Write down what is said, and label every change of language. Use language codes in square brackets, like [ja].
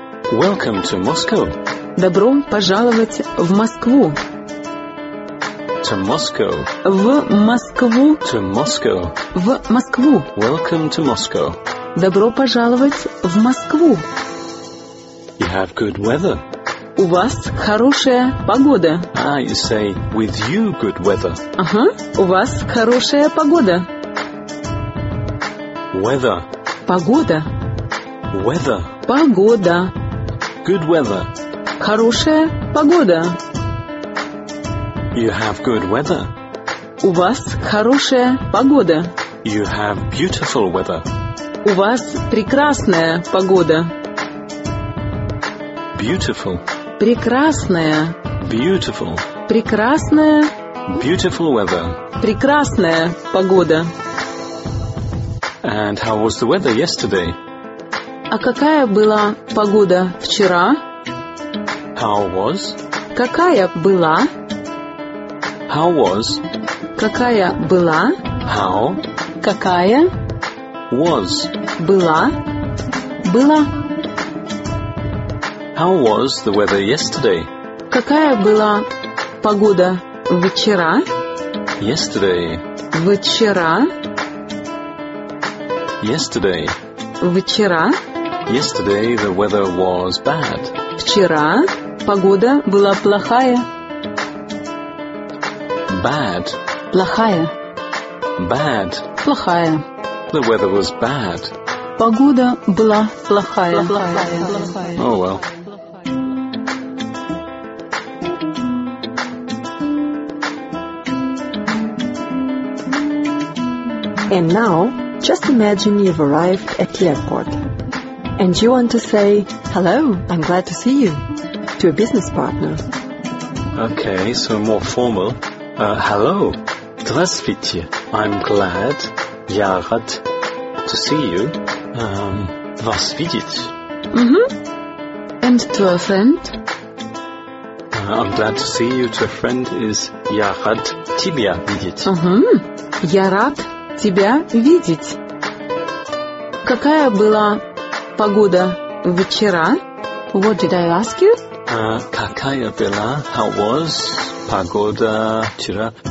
[en] Welcome to Moscow. [ru] Добро пожаловать в Москву. [en] To Moscow. [ru] В Москву. [en] To Moscow. [ru] В Москву. [en] Welcome to Moscow. [ru] Добро пожаловать в Москву. [en] You have good weather. [ru] У вас хорошая погода. [en] Ah, you say with you good weather. [ru] У вас хорошая погода. [en] Weather. [ru] Погода. [en] Weather. [ru] Погода. [en] Good weather. [ru] Хорошая погода. [en] You have good weather. [ru] У вас хорошая погода. [en] You have beautiful weather. [ru] У вас прекрасная погода. [en] Beautiful. [ru] Прекрасная. [en] Beautiful. [ru] Прекрасная. [en] Beautiful weather. [ru] Прекрасная погода. [en] And how was the weather yesterday? [ru] А какая была погода вчера? [en] How was? [ru] Какая была? [en] How was? [ru] Какая была? [en] How? [ru] Какая? [en] Was. [ru] Была. Была. [en] How was the weather yesterday? [ru] Какая была погода вчера? [en] Yesterday. [ru] Вчера. [en] Yesterday. [ru] Вчера. [en] Yesterday the weather was bad. [ru] Вчера погода была плохая. [en] Bad. [ru] Плохая. [en] Bad. [ru] Плохая. [en] The weather was bad. [ru] Погода была плохая. [en] Oh well. And now, just imagine you've arrived at the airport. And you want to say, hello, I'm glad to see you, to a business partner. Okay, so more formal. Hello. [ru] Здравствуйте. [en] I'm glad. [ru] Я рад [en] to see you. [ru] Вас видеть. [en] Mm-hmm. And to a friend? I'm glad to see you. To a friend is [ru] Я рад тебя видеть. Mm-hmm. Я рад тебя видеть. Какая была погода вчера? [en] What did I ask you? [ru] Какая была? [en] How was [ru] погода вчера?